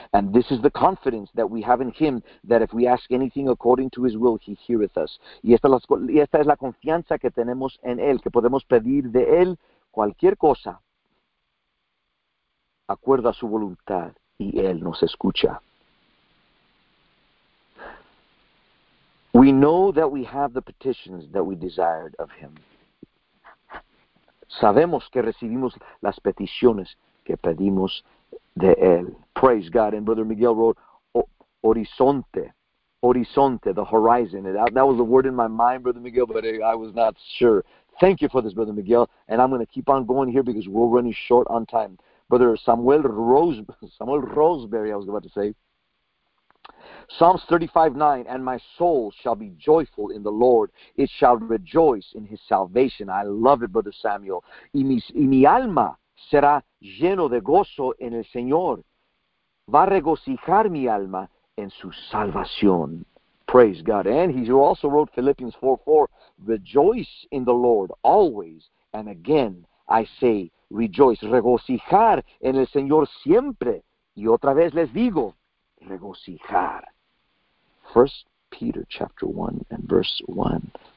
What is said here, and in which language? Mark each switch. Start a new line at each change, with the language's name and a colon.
English: And this is the confidence that we have in Him, that if we ask anything according to His will, He heareth us.
Spanish: Y esta es la confianza que tenemos en Él, que podemos pedir de Él cualquier cosa, acuerdo a su voluntad. y Él nos escucha.
English: We know that we have the petitions that we desired of Him.
Spanish: Sabemos que recibimos las peticiones que pedimos de Él.
English: Praise God. And Brother Miguel wrote, horizonte, horizonte, the horizon. That was the word in my mind, Brother Miguel, but I was not sure. Thank you for this, Brother Miguel. And I'm going to keep on going here because we're running short on time. Brother Samuel Roseberry, I was about to say. Psalms 35:9, and my soul shall be joyful in the Lord. It shall rejoice in His salvation. I love it, Brother Samuel.
Spanish: Y mi alma será lleno de gozo en el Señor. Va a regocijar mi alma en su salvación.
English: Praise God. And he also wrote Philippians 4:4, rejoice in the Lord always. And again, I say, rejoice. Regocijar en el Señor siempre.
Spanish: Y otra vez les digo, regocijar. 1 Peter chapter 1 and verse 1.